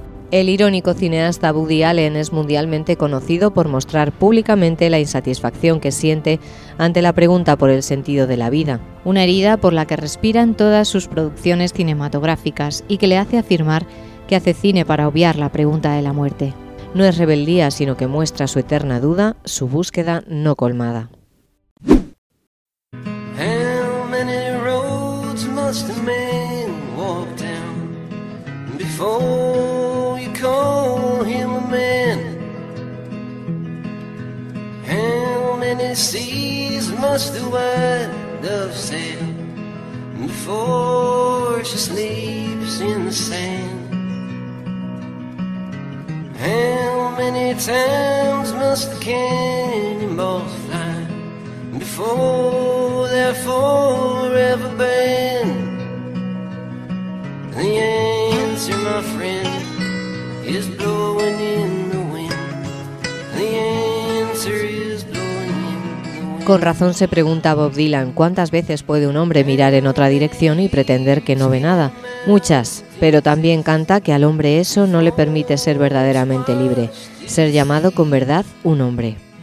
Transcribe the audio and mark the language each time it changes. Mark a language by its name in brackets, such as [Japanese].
[Spanish] El irónico cineasta Woody Allen es mundialmente conocido por mostrar públicamente la insatisfacción que siente ante la pregunta por el sentido de la vida, una herida por la que respiran todas sus producciones cinematográficas y que le hace afirmar que hace cine para obviar la pregunta de la muerte. No es rebeldía, sino que muestra su eterna duda, su búsqueda no colmada. [English] How many roads must a man walk down before? Call him a man. How many seas must the white dove sail before she sleeps in the sand? How many times must the cannonballs fly before they're forever banned? The answer, my friend, is blowing in the wind. The answer is blowing in the wind. [Spanish] Con razón se pregunta Bob Dylan, ¿cuántas veces puede un hombre mirar en otra dirección y pretender que no ve nada? Muchas, pero también canta que al hombre eso no le permite ser verdaderamente libre, ser llamado con verdad un hombre.